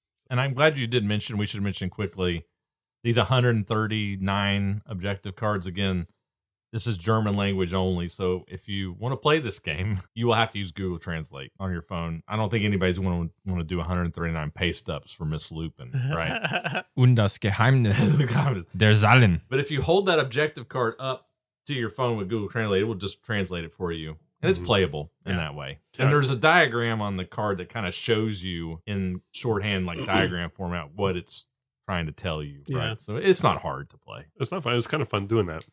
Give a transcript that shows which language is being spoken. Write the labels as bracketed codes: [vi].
[en] And I'm glad you did mention, we should mention quickly, these 139 objective cards again. This is German language only, so if you want to play this game, you will have to use Google Translate on your phone. I don't think anybody's going to want to do 139 paste-ups for Miss Lupin, right? [de] Und das Geheimnis der Zahlen. [en] But if you hold that objective card up to your phone with Google Translate, it will just translate it for you. And it's playable in that way. And there's a diagram on the card that kind of shows you in shorthand, like diagram format, what it's trying to tell you, right? So it's not hard to play. It's not fun. It's kind of fun doing that.